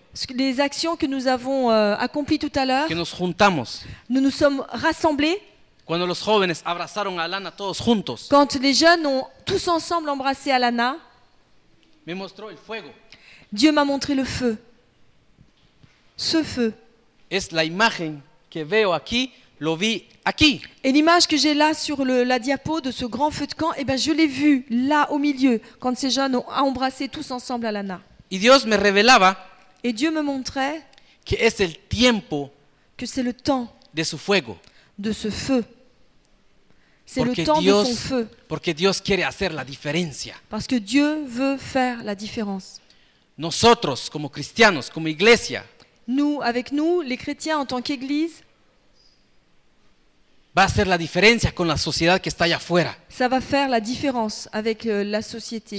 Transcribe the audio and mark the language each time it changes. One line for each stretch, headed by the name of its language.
French: Les actions que nous avons accomplies tout à l'heure.
Spanish: Que nos juntamos.
French: Nous nous sommes rassemblés.
Spanish: Cuando los jóvenes abrazaron a Alana todos juntos.
French: Quand les jeunes ont tous ensemble embrassé Alana.
Spanish: Me mostró el fuego.
French: Dieu m'a montré le feu. Ce feu.
Spanish: Es la imagen que veo aquí, lo vi aquí.
French: Et l'image que j'ai là sur la diapo de ce grand feu de camp, eh ben je l'ai vu là au milieu quand ces jeunes ont embrassé tous ensemble Alana.
Spanish: Y Dios me revelaba
French: Et Dieu me montrait
Spanish: que es el tiempo
French: que c'est le temps
Spanish: de su fuego.
French: De ce feu. C'est
Spanish: porque
French: le temps
Spanish: Dios,
French: de son feu.
Spanish: Porque Dios quiere hacer la diferencia.
French: Parce que Dieu veut faire la différence.
Spanish: Nosotros como cristianos, como iglesia.
French: Nous, avec nous, les chrétiens en tant qu'église.
Spanish: Va a hacer la diferencia con la sociedad que está allá afuera.
French: Ça va faire la différence avec la société.